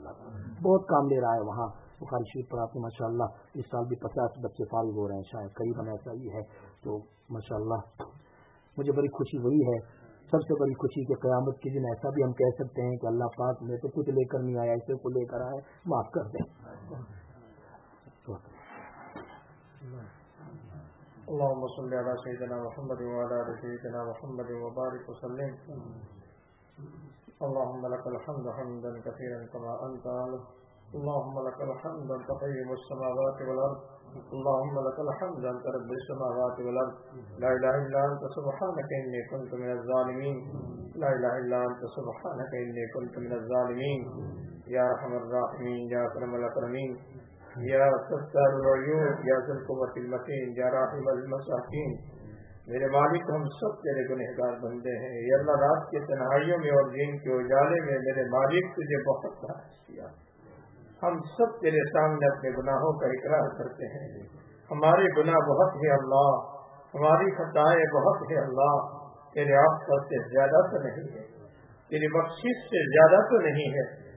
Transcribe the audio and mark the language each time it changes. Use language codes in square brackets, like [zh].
[ur] اللہ بہت کام لے رہا ہے وہاں بخاری شریف پڑھاتے. ماشاء اللہ اس سال بھی 50 بچے فارغ ہو رہے ہیں, شاید کئی بنا چاہیے ہے. تو ماشاء اللہ مجھے بڑی خوشی وہی ہے, سب سے بڑی خوشی کہ قیامت کے دن ایسا بھی ہم کہہ سکتے ہیں کہ اللہ پاک میں تو کچھ لے کر نہیں آیا, ایسے کو لے کر آئے, معاف کر دیں. [ar] اللهم صل على سيدنا محمد وعلى آل سيدنا محمد وبارك وسلم. اللهم لك الحمد حمدا كثيرا كما أنت أعلم. اللهم لك الحمد أنت قيم السماوات والأرض. اللهم لك الحمد أنت رب السماوات والأرض. لا إله إلا أنت سبحانك إني كنت من الظالمين. لا إله إلا أنت سبحانك إني كنت من الظالمين. يا أرحم الراحمين, يا أكرم الأكرمين, يا ستار العيوب, يا ذا القوة المتين, يا راحم المساكين. [ur] میرے مالک ہم سب تیرے گنہگار بندے ہیں. یا اللہ رات کے تنہائیوں میں اور دین کے اجالے میں میرے مالک تجھے بہت تعریف کیا. ہم سب تیرے سامنے اپنے گناہوں کا اقرار کرتے ہیں. ہمارے گناہ بہت ہے اللہ, ہماری خطائیں بہت ہے اللہ, تیرے آفت سے زیادہ تو نہیں ہے, تیری بخشش سے زیادہ تو نہیں ہے.